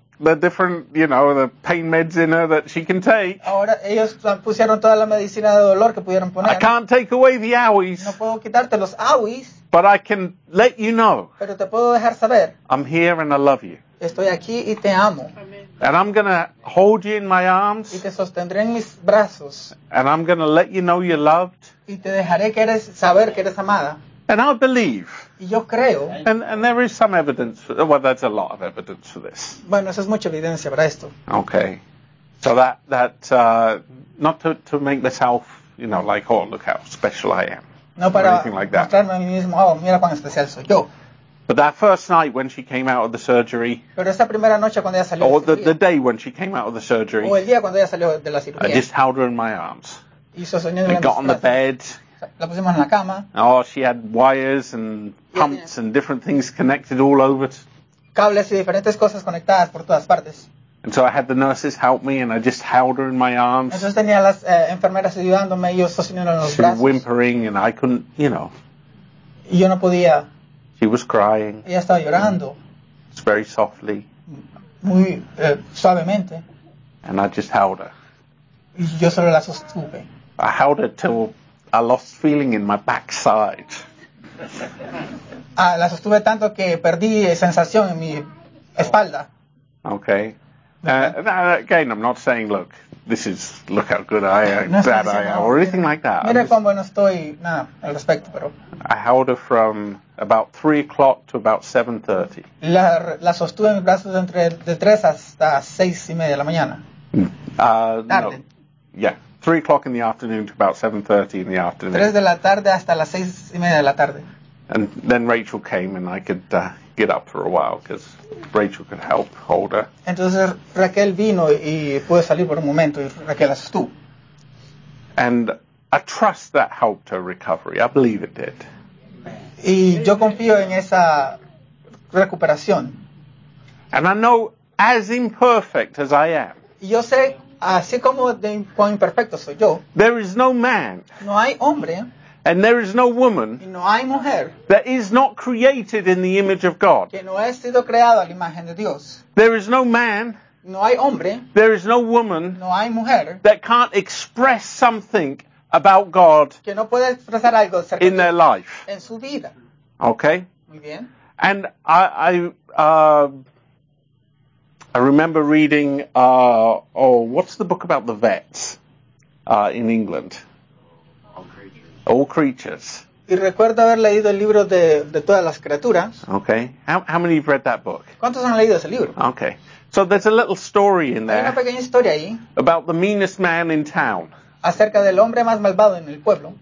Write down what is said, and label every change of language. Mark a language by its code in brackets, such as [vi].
[en] the different, you know, the pain meds in her that she can take. [es] Ahora ellos pusieron toda la medicina de dolor que pudieron poner. [en] I can't take away the owies. [es] No puedo quitarte los owies. [en] But I can let you know. [es] Pero te puedo dejar saber. [en] I'm here and I love you. [es] Estoy aquí y te amo. [en] And I'm going to hold you in my arms. [es] Y te sostendré en mis brazos. [en] And I'm going to let you know you're loved. [es] Y te dejaré que eres, saber que eres amada. [en] And I believe. [es] Y yo creo. [en] And there is some evidence. Well, that's a lot of evidence for this. [es] Bueno, eso es mucha evidencia para esto. [en] Okay. So that not to make myself, you know, like, oh, look how special I am. [es] No, para [en] anything like that. [es] Mostrarme a mí mismo, oh, mira cuán especial soy yo. [en] But that first night when she came out of the surgery, [es] pero esa primera noche cuando ella salió, [en] or the day when she came out of the surgery, [es] o el día cuando ella salió de la cirugía, [en] I just held her in my arms. [es] Y sosteniendo en mis brazos. [en] Got on the bed. [es] La pusimos en la cama. [en] Oh, she had wires and pumps and different things connected all over. [es] Cables y diferentes cosas conectadas por todas partes. [en] And so I had the nurses help me, and I just held her in my arms. [es] Entonces tenía las enfermeras ayudándome y yo sosteniendo en los brazos. [en] She was whimpering, and I couldn't, you know. [es] Y yo no podía. [en] She was crying. [es] Ella estaba llorando. [en] It's very softly. [es] Muy suavemente. [en] And I just held her. [es] Y yo solo la sostuve. [en] I held her till I lost feeling in my backside. [es] Ah, la sostuve tanto que perdí sensación en mi espalda. [en] Okay. Again, I'm not saying, look, this is, look how good I am, no, bad I am, or anything like that. [es] Mira cuán bueno estoy, nada, al respecto, pero... [en] I held her from about 3 o'clock to about 7:30. [es] La sostuve en mis brazos de 3 hasta 6 y media de la mañana. [en] No. Yeah, 3 o'clock in the afternoon to about 7:30 in the afternoon. [es] 3 de la tarde hasta las 6 y media de la tarde. [en] And then Rachel came and I could get up for a while because Rachel could help hold her. [es] Entonces Raquel vino y pude salir por un momento y Raquel la sostuvo. [en] And I trust that helped her recovery. I believe it did. [es] Y yo confío en esa recuperación. [en] And I know, as imperfect as I am, [es] yo sé, así como de cuán imperfecto soy yo, [en] there is no man, [es] no hay hombre, [en] and there is no woman, [es] y no hay mujer, [en] that is not created in the image of God, [es] que no ha sido creado a la imagen de Dios. [en] There is no man, [es] no hay hombre, [en] there is no woman, [es] no hay mujer, [en] that can't express something about God, [es] que no puede expresar algo acerca [en] in their life, [es] en su vida. [en] Okay. [es] Muy bien. [en] And I remember reading, what's the book about the vets in England? All Creatures. [es] Y recuerdo haber leído el libro de todas las criaturas. [en] Okay. How many have read that book? [es] ¿Cuántos han leído ese libro? [en] Okay. So there's a little story in there. [es] Hay una pequeña historia ahí. [en] About the meanest man in town. [es] Acerca del hombre más malvado en el pueblo.